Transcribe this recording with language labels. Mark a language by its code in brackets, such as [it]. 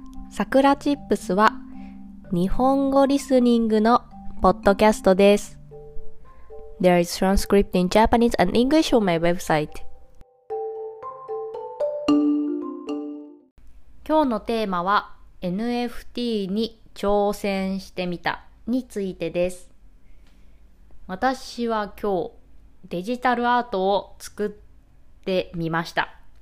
[ja] さくらチップスは日本語リスニングのポッドキャストです。 [en] There is transcript in Japanese and English on my website. [ja] 今日のテーマは NFT に挑戦してみたについてです。私は今日デジタルアートを作ってみました。